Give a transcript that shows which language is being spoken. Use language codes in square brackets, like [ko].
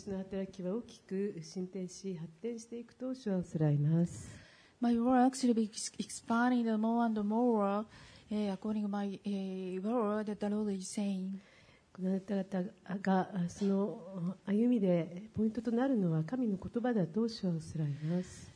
[ja] 働きは大きく進展し発展していくと主は仰られます。 [en] My work should be expanding the more and more、according to my、word that the Lord is saying. [ja] あなた方がその歩みでポイントとなるのは神の言葉だと主は仰られます。